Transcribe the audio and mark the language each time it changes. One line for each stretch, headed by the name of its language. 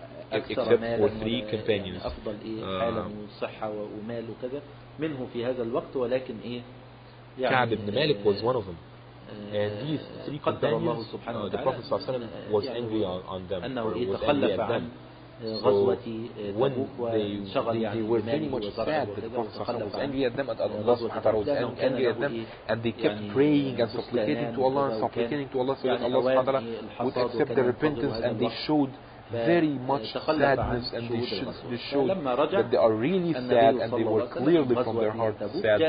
English: except for three companions.
Arabic: أفضل إيه حالة وصحة ومال وكذا منه في هذا الوقت ولكن إيه يعني
English: كعب بن مالك was one of them. And these three companions, the Prophet
Arabic: صلى الله عليه وسلم
English: was angry on them.
Arabic: أنه تخلف عن غزوة تبوك وشغل يعني
English: very much sad. The Prophet صلى الله عليه وسلم was angry at them and Allah
Arabic: subhanahu wa taala
English: was angry at them and they kept praying and supplicating to Allah and supplicating to Allah so that Allah subhanahu wa taala would accept their repentance and they showed very much sadness and they showed that they are really sad and they were clearly from their heart sad.